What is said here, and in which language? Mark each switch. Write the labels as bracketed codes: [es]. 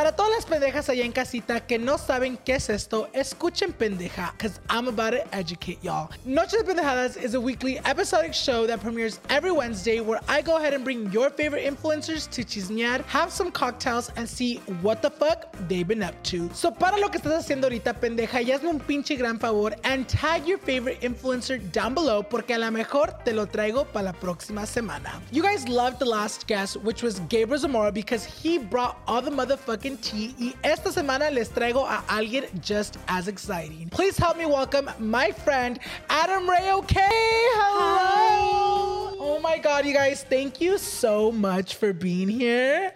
[es] Para todas las pendejas allá en casita que no saben qué es esto, escuchen pendeja, [en] because I'm about to educate y'all. Noche de Pendejadas is a weekly episodic show that premieres every Wednesday where I go ahead and bring your favorite influencers to chismear, have some cocktails, and see what the fuck they've been up to. [es] So para lo que estás haciendo ahorita, pendeja, y hazme un pinche gran favor [en] and tag your favorite influencer down below [es] porque a la mejor te lo traigo para la próxima semana. [en] You guys loved the last guest, which was Gabriel Zamora, because he brought all the motherfucking tea. [es] Y esta semana les traigo a alguien [en] just as exciting. Please help me welcome my friend, Adam Ray OK. Hello. Hi. Oh my God, you guys, thank you so much for being here.